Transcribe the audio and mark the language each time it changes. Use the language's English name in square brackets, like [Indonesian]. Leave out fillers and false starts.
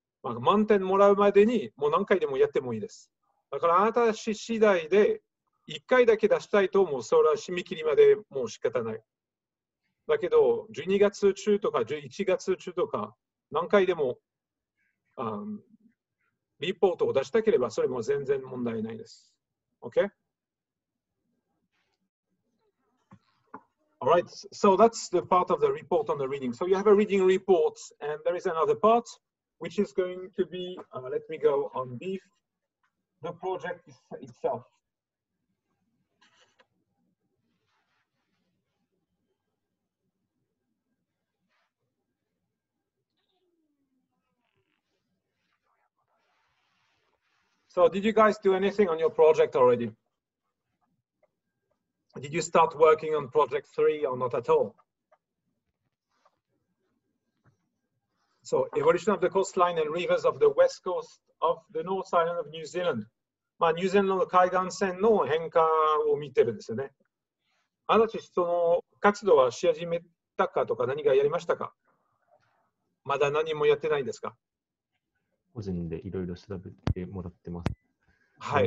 [Japanese] まあ、満点もらうまでに、もう何回でもやってもいいです。だからあなた次第で一回だけ出したいと思う、それは締め切りまでもう仕方ない。だけど、12月中とか11月中とか何回でも、リポートを出したければそれも全然問題ないです。 [English] OK? Alright, so that's the part of the report on the reading. So you have a reading report and there is another part which is going to be, let me go on beef. the project itself. So did you guys do anything on your project already? Did you start working on project 3 or not at all? So evolution of the coastline and rivers of the west coast of the North Island of New Zealand. [Japanese] まあ、ニュージーランドの海岸線の変化を見てるんですよね。あなたたちその活動はし始めたかとか何かやりましたか？まだ何もやってないんですか？個人でいろいろ調べてもらってます。はい。